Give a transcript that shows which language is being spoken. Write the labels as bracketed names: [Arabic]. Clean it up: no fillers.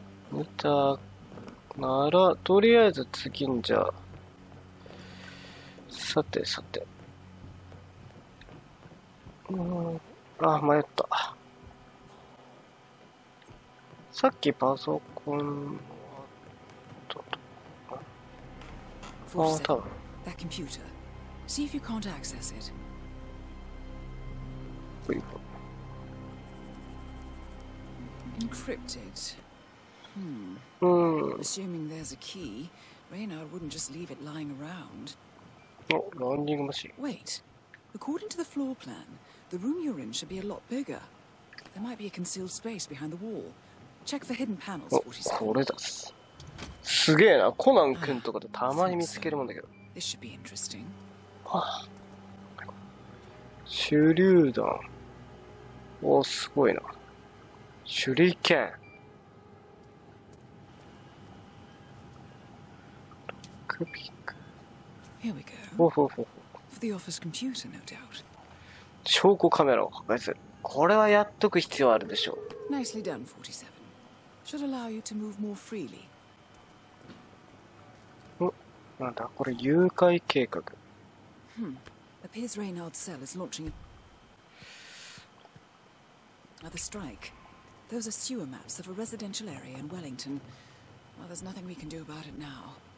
[Japanese] 見たなら、とりあえず次んじゃ。さてさて。迷った。さっきパソコンあったとか。ああ、たぶん。 [English] That computer. See if you can't access it. Encrypted. Assuming there's a key, Reynard wouldn't just leave it lying around. [Japanese] お、ランニングマシン。 [English] Wait. According to the floor plan, the room you're in should be a lot bigger. There might be a concealed space behind the wall. Check the hidden panels, 47. [Japanese] これだ。すげえな。コナン君とかでたまに見つけるもんだけど。 [English] This should be interesting. [Japanese] 手榴弾。お、すごいな。手裏剣。ロックピック。 [English] Here we go. [Japanese] ほうほうほう。 [English] For the office computer, no doubt. [Japanese] 証拠カメラを破壊する。これはやっとく必要あるでしょう。 [English] Nicely done, 47. Should allow you to move more freely. [Japanese] なんだこれ、誘拐計画。 [English] Appears Reynard's cell is launching another strike. Those are sewer maps of a residential area in Wellington. Well, there's nothing we can do about it now.